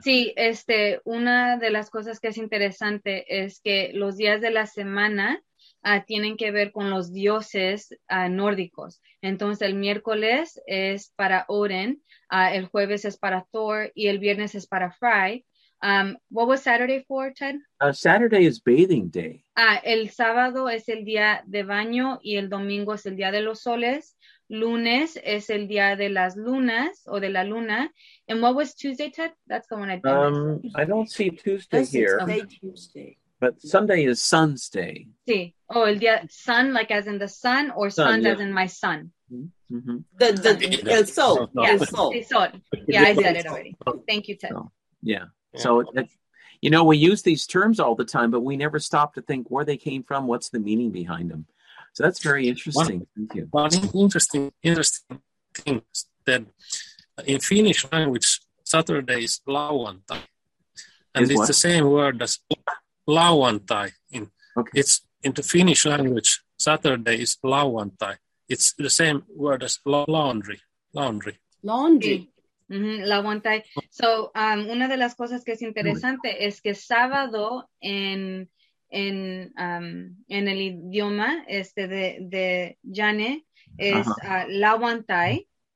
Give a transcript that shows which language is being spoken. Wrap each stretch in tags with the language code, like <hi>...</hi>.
<es>Sí, una de las cosas que es interesante es que los días de la semana tienen que ver con los dioses nórdicos. Entonces, el miércoles es para Odin, el jueves es para Thor, y el viernes es para Frey.</es> <en>What was Saturday for, Ted? Saturday is bathing day.</en> <es>El sábado es el día de baño, y el domingo es el día de los soles. Lunes es el día de las lunas, o de la luna.</es> <en>And what was Tuesday, Ted? That's the one I did. I don't see Tuesday here. Sunday, Tuesday. But Sunday is sun's day.</en> <es>Sí.</es> <en>Oh,</en> <es>el día</es> <en>sun, like as in the sun, or sun yeah. As in my son. Mm-hmm. The sol. Sol. Yeah, I said it already. Thank you, Ted. So you know, we use these terms all the time, but we never stop to think where they came from, what's the meaning behind them. So that's very interesting. Thank you. One interesting thing is that in Finnish language, Saturday is lauantai. And it's the same word as lauantai. It's in the Finnish language, Saturday is lauantai. It's the same word as laundry. Laundry. Laundry. Mm-hmm. Lauantai. So</en> <es>una de las cosas que es interesante es que sábado en el idioma de Jane es lauantai.</es>